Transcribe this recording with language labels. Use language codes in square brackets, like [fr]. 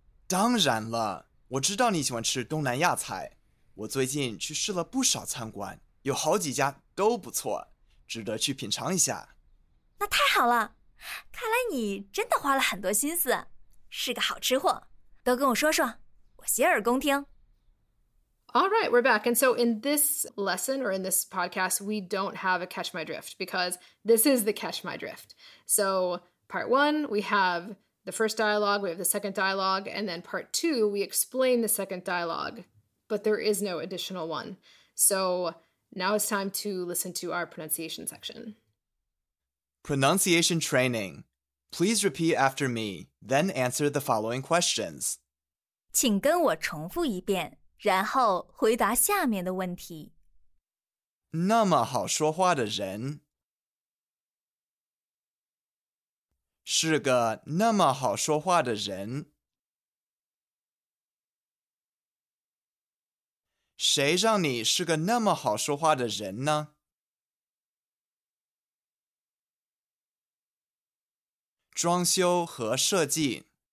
[zh] 当然了,我知道你喜欢吃东南亚菜,我最近去试了不少餐馆,有好几家都不错,值得去品尝一下。那太好了,看来你真的花了很多心思,是个好吃货,都跟我说说,我洗耳恭听。 [en] All right, we're back. And so in this lesson or in this podcast, we don't have a catch my drift because this is the catch my drift. So part one, we have the first dialogue, we have the second dialogue, and then part two, we explain the second dialogue, but there is no additional one. So now it's time to listen to our pronunciation section. Pronunciation training. Please repeat after me, then answer the following questions. [zh] 请跟我重复一遍。然后回答下面的问题。那么好说话的人，是个那么好说话的人。谁让你是个那么好说话的人呢？装修和设计。